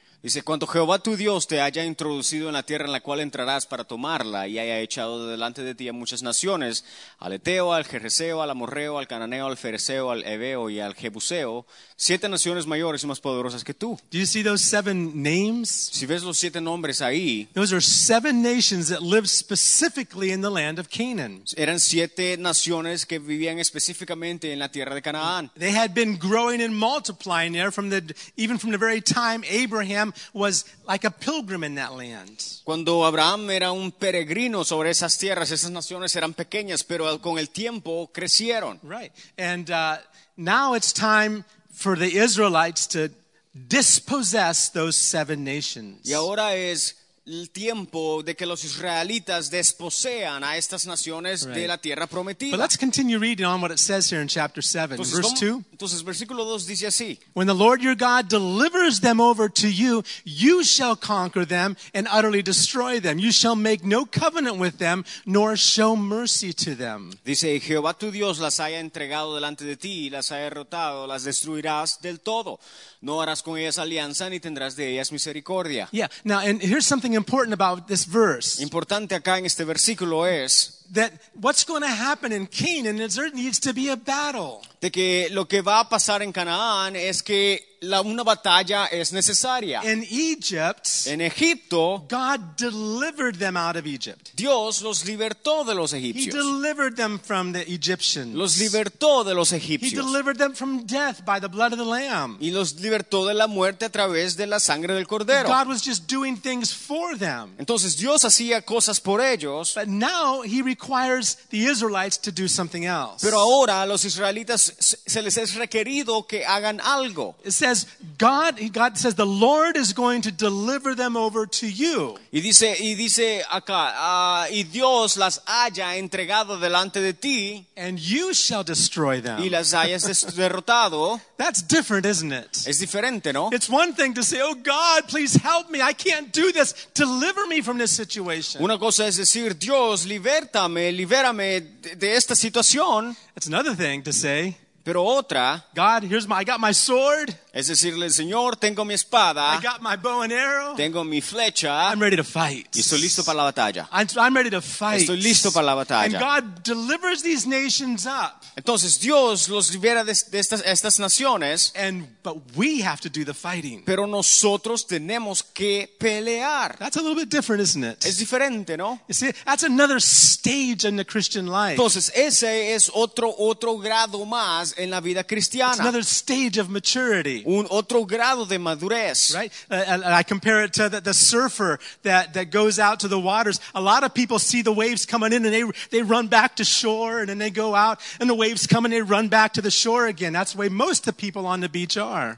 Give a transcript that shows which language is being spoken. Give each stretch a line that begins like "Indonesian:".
Spanish: Dice, cuando Jehová tu Dios te haya introducido en la tierra en la cual entrarás para tomarla y haya echado delante de ti a muchas naciones, al Eteo, al Jerezeo, al Amorreo, al Cananeo, al Fereseo, al Ebeo y al Jebuseo, siete naciones mayores y más poderosas que tú.
English: Do you see those seven names?
Spanish: Si ves los siete nombres ahí,
English: those are seven nations that lived specifically in the land of Canaan.
Spanish: Eran siete naciones que vivían específicamente en la tierra de Canaán.
English: They had been growing and multiplying there from the very time Abraham was like a pilgrim in that land.
Spanish: Cuando Abraham era un peregrino sobre esas tierras, esas naciones eran pequeñas, pero con el tiempo crecieron.
English: Right. And now it's time for the Israelites to dispossess those seven nations.
Spanish: Y ahora es el tiempo de que los israelitas desposean a estas naciones right. de la tierra prometida.
English: But let's continue reading on what it says here in chapter 7,
Spanish: entonces,
English: verse 2.
Spanish: Entonces, versículo 2 dice así.
English: When the Lord your God delivers them over to you, you shall conquer them and utterly destroy them. You shall make no covenant with them, nor show mercy to them.
Spanish: Dice, Jehová tu Dios las haya entregado delante de ti, las haya derrotado, las destruirás del todo. No harás con ellas alianza, ni tendrás de ellas misericordia.
English: Yeah, now, and here's something important about this verse.
Spanish: Importante acá en este versículo es
English: that what's going to happen in Canaan is there needs to be a battle.
Spanish: De que lo que va a pasar en Canaán es que una batalla es necesaria.
English: In Egypt,
Spanish: en Egipto,
English: God delivered them out of Egypt.
Spanish: Dios los libertó de los egipcios.
English: He delivered them from the Egyptians.
Spanish: Los libertó de los egipcios.
English: He delivered them from death by the blood of the lamb.
Spanish: Y los libertó de la muerte a través de la sangre del cordero.
English: God was just doing things for them.
Spanish: Entonces Dios hacía cosas por ellos.
English: But now he requires the Israelites to do something else.
Spanish: Pero ahora a los israelitas se les es requerido que hagan algo.
English: Says God says the Lord is going to deliver them over to you.
Spanish: Y dice acá, y Dios las haya entregado delante de ti.
English: And you shall destroy them.
Spanish: Y las hayas derrotado.
English: That's different, isn't it?
Spanish: Es diferente, ¿no?
English: It's one thing to say, oh God, please help me. I can't do this. Deliver me from this situation.
Spanish: Una cosa es decir, Dios, libértame, libérame de esta situación.
English: It's another thing to say,
Spanish: pero otra,
English: God, I got my sword.
Spanish: Es decirle, Señor, tengo mi espada.
English: I got my bow and arrow.
Spanish: Tengo mi flecha.
English: I'm ready to fight.
Spanish: Y estoy listo para la batalla.
English: I'm ready to fight.
Spanish: Estoy listo para la batalla.
English: And God delivers these nations up.
Spanish: Entonces Dios los libera de estas naciones.
English: But we have to do the fighting.
Spanish: Pero nosotros tenemos que pelear.
English: That's a little bit different, isn't it?
Spanish: Es diferente, ¿no?
English: You see, that's another stage in the Christian life.
Spanish: Entonces ese es otro grado más en la vida cristiana.
English: It's another stage of maturity.
Spanish: Un otro grado de madurez.
English: Right? I compare it to the surfer that goes out to the waters. A lot of people see the waves coming in and they run back to shore and then they go out and the waves come and they run back to the shore again. That's the way most of the people on the beach are.